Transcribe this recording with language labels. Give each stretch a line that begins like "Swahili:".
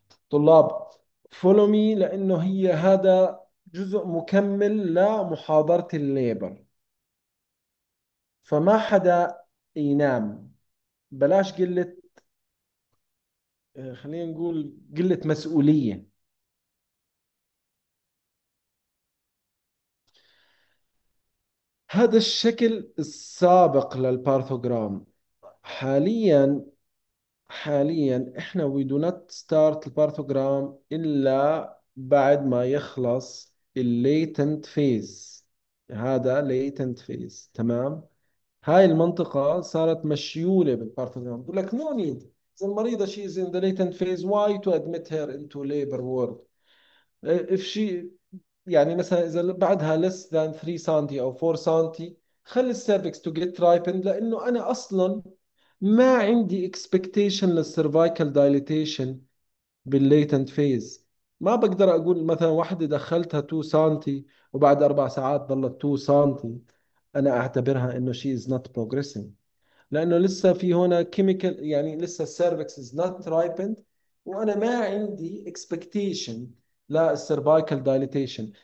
Arabic: طلاب
English: follow me،
Arabic: لأنه هي هذا جزء مكمل لمحاضرة الليبر، فما حدا ينام، بلاش قلة، خلينا نقول قلة مسؤولية. هذا الشكل السابق للبارثوغرام. حاليا احنا
English: we do not start the pathogram
Arabic: الا بعد ما يخلص ال latent phase. هذا latent phase، تمام. هاي المنطقة صارت مشيولة بالبارثوغرام، بقول لك no need، إذا المريضة
English: she is in the latent phase why to admit her into labor ward. if she يعني مثلا إذا بعدها less than 3 سنتي أو 4 سنتي خلي السيرفكس to get ripened،
Arabic: لأنه أنا أصلا ما عندي
English: expectation للسيرفايكال dilatation باللاتنت phase.
Arabic: ما بقدر أقول مثلا واحدة دخلتها 2 سنتي وبعد 4 ساعات ظلت 2 سنتي أنا أعتبرها إنه
English: she is not progressing،
Arabic: لأنه لسه في هنا chemical، يعني لسه السيرفكس
English: is not ripened
Arabic: وأنا ما عندي expectation لا السيرفايكال دايليتيشن.